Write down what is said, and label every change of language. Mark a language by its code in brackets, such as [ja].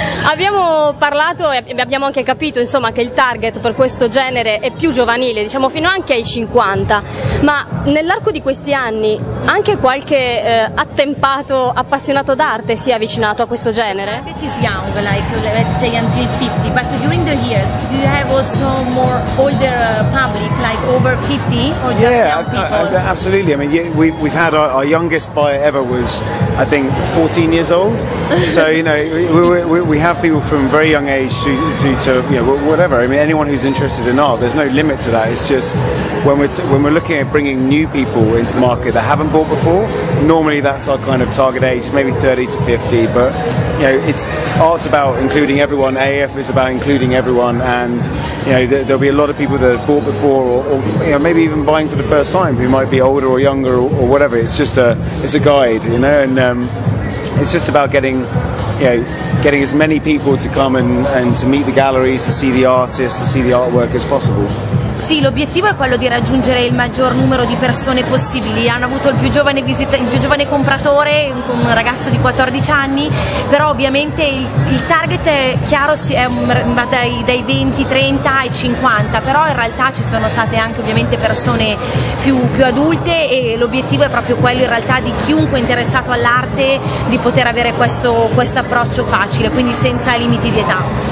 [it] Abbiamo parlato e abbiamo anche capito, insomma, che il target per questo genere è più giovanile, diciamo fino anche ai 50, ma nell'arco di questi anni anche qualche attempato appassionato d'arte si è avvicinato a questo genere? Anche chi è [en] young, like let's say until 50, but during the years do you have also more older public, like over 50 or just young people? Absolutely. I mean, we've had our youngest buyer ever was I think 14 years old. So, you know, we have people from very young age to you know, whatever. I mean, anyone who's interested in art, there's no limit to that. It's just when we're looking at bringing new people into the market that haven't bought before, normally that's our kind of target age, maybe 30 to 50. But, you know, it's art's about including everyone. AAF is about including everyone. And, you know, there'll be a lot of people that have bought before or you know, maybe even buying for the first time who might be older or younger or whatever. It's just it's a guide, you know, and it's just about getting, you know, getting as many people to come and to meet the galleries, to see the artists, to see the artwork as possible. [it] Sì, l'obiettivo è quello di raggiungere il maggior numero di persone possibili. Hanno avuto il più giovane compratore, un ragazzo di 14 anni, però ovviamente il target è chiaro, va dai 20, 30 ai 50, però in realtà ci sono state anche ovviamente persone più adulte, e l'obiettivo è proprio quello in realtà di chiunque interessato all'arte di poter avere questo approccio facile, quindi senza limiti di età.